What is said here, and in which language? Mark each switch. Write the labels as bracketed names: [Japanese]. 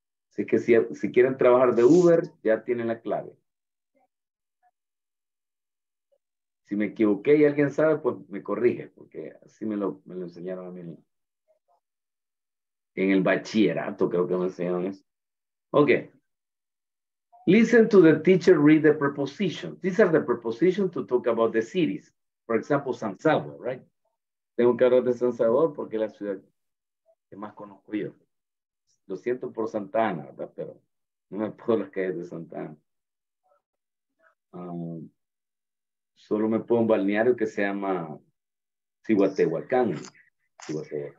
[Spanish] Así que si quieren trabajar de Uber, ya tienen la clave. Si me equivoqué y alguien sabe, pues me corrige, porque así me lo enseñaron a mí. En el bachillerato creo que me enseñaron eso. [English] Ok. Listen to the teacher read the prepositions. These are the prepositions to talk about the cities. For example, San Salvador, right? [Spanish] Tengo que hablar de San Salvador porque es la ciudad que más conozco yo. Lo siento por Santa Ana, ¿verdad? Pero no me puedo las calles de Santa Ana. Solo me puedo un balneario que se llama Cihuatehuacán, ¿verdad?